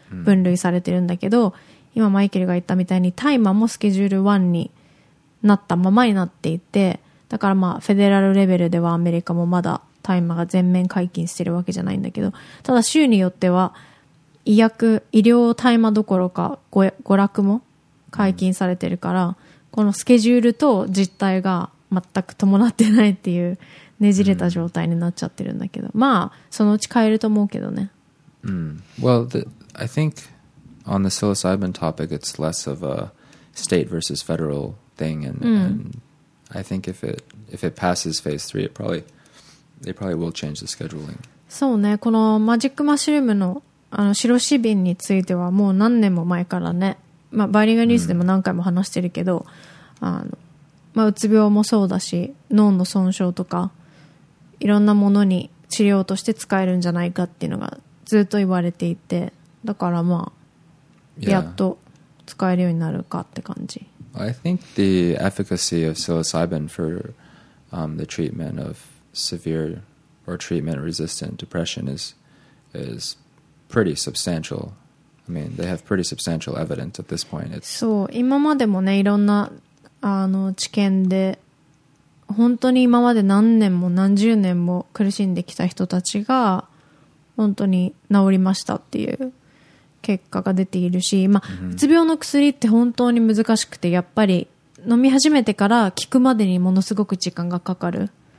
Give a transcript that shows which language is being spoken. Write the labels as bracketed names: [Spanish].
[Japanese] 分類されてるんだけど、うん、今マイケルが言ったみたいに大麻もスケジュール1になったままになっていて、だからまあフェデラルレベルではアメリカもまだ大麻が全面解禁してるわけじゃないんだけど、ただ州によっては医薬、医療大麻どころか娯楽も解禁されてるから、うん、このスケジュールと実態が全く伴ってないっていうねじれた状態になっちゃってるんだけど、うん、まあそのうち変えると思うけどね。うん。 [English] Well, I think on the psilocybin topic, it's less of a state versus federal thing, and,、うん、and I think if it passes phase three, they probably will change the scheduling. [Japanese] そうね。このマジックマッシュルームのあの白シビンについてはもう何年も前からね、まあ、バイリンガルニュースでも何回も話してるけど、うん、あの。まあ、うつ病もそうだし脳の損傷とかいろんなものに治療として使えるんじゃないかっていうのがずっと言われていて、だからまあ、 [English] yeah. [Japanese] やっと使えるようになるかって感じ。 [English] I think the efficacy of psilocybin for、the treatment of severe or treatment resistant depression is pretty substantial. I mean, they have pretty substantial evidence at this point. [Japanese] そう、今までもね、いろんなあの治験で本当に今まで何年も何十年も苦しんできた人たちが本当に治りましたっていう結果が出ているし、まあ、うつ病の薬って本当に難しくて、やっぱり飲み始めてから効くまでにものすごく時間がかかる。